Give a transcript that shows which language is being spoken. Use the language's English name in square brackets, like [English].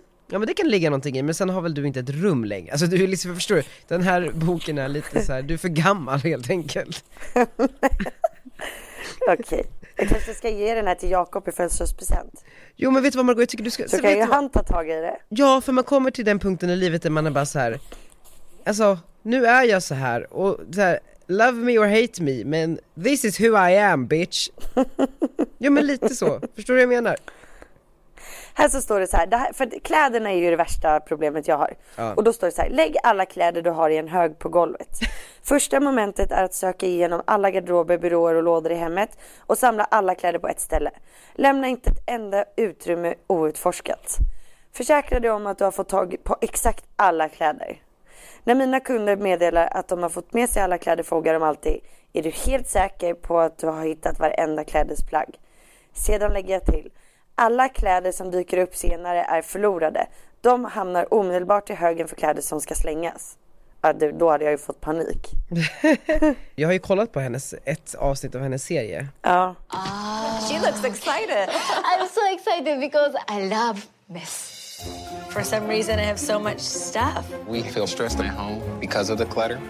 [Swedish] Ja, men det kan ligga någonting i, men sen har väl du inte ett rum längre. Alltså du är liksom, förstår du, den här boken är lite så här, du är för gammal helt enkelt. Okej. Okay. Jag kanske ska ge den här till Jakob i födelsedagspresent. Jo, men vet du vad, Margot, jag tycker du ska... Så kan ju han ta tag i det. Ja, för man kommer till den punkten i livet där man är bara så här... Alltså, nu är jag så här. Och så här, [English] love me or hate me, [Swedish] men [English] this is who I am, bitch. [Swedish] Jo, men lite så. Förstår du vad jag menar? Här så står det så här, det här, för kläderna är ju det värsta problemet jag har. Ja. Och då står det så här, lägg alla kläder du har i en hög på golvet. Första momentet är att söka igenom alla garderober, byråer och lådor i hemmet och samla alla kläder på ett ställe. Lämna inte ett enda utrymme outforskat. Försäkra dig om att du har fått tag på exakt alla kläder. När mina kunder meddelar att de har fått med sig alla kläder frågar de alltid, är du helt säker på att du har hittat varenda klädesplagg? Sedan lägger jag till, alla kläder som dyker upp senare är förlorade. De hamnar omedelbart i högen för kläder som ska slängas. Ja, du, då hade jag ju fått panik. Jag har ju kollat på hennes, ett avsnitt av hennes serie. Ja. Oh. [English] She looks excited. I'm so excited because I love mess. For some reason I have so much stuff. We feel stressed at home because of the clutter.